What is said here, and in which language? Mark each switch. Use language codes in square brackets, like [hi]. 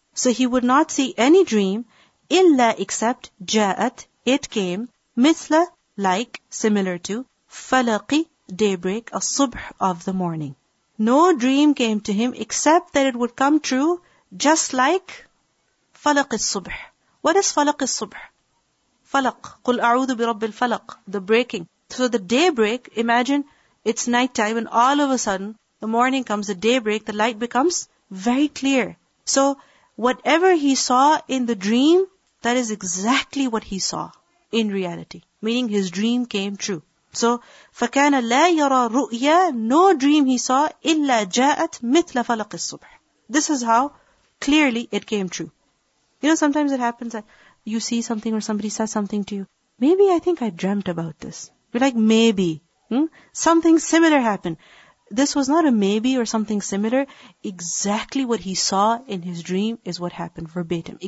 [en] So he would not see any dream, إلا except, جاءت, it came, مثل, like, similar to, فلقي, daybreak, الصبح of the morning. No dream came to him except that it would come true, just like, [ar] فلق الصبح. [en] What is [ar] فلق الصبح? فلق, قل أعوذ برب الفلق, [en] the breaking. So the daybreak, imagine, it's night time and all of a sudden, the morning comes, the daybreak, the light becomes very clear. So whatever he saw in the dream, that is exactly what he saw in reality. Meaning his dream came true. So, [ar] فَكَانَ لَا يَرَى رُؤْيَا, [en] no dream he saw, [ar] إِلَّا جَاءَتْ مِثْلَ فَلَقِ الصُّبْحِ. [en] This is how clearly it came true. You know, sometimes it happens that you see something or somebody says something to you. Maybe I think I dreamt about this. You're like, maybe. Something similar happened. This was not a maybe or something similar. Exactly what he saw in his dream is what happened verbatim.